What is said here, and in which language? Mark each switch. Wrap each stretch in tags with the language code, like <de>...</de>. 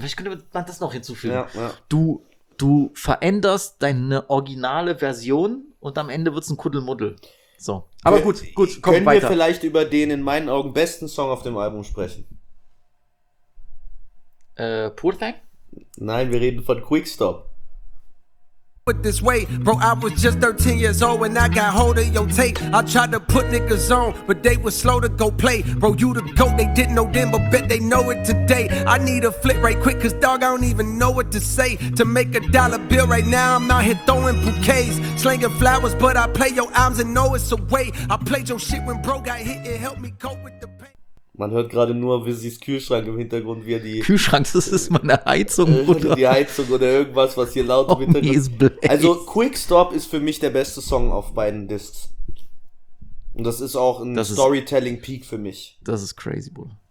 <de>Vielleicht könnte man das noch hinzufügen. Ja, ja. Du veränderst deine originale Version und am Ende wird es ein Kuddelmuddel. So. Aber gut, komm weiter. Können wir vielleicht über den in meinen Augen besten Song auf dem Album sprechen? Poor Thing? Nein, wir reden von Quickstop.</de> <en>With this weight, bro, I was just 13 years old when I got hold of your tape. I tried to put niggas on, but they were slow to go play. Bro, you the GOAT, they didn't know then, but bet they know it today. I need a flip right quick, cause dog, I don't even know what to say. To make a dollar bill right now, I'm out here throwing bouquets. Slinging flowers, but I play your albums and know it's a way. I played your shit when bro got hit, it helped me cope with the pain.</en> <de>Man hört gerade nur Visis Kühlschrank im Hintergrund, wie er die... Kühlschrank, das ist meine Heizung, oder? Die Heizung oder irgendwas, was hier laut im Hintergrund... Is also, Quickstop ist für mich der beste Song auf beiden Discs. Und das ist auch ein Storytelling-Peak für mich. Das ist crazy, Bro.</de>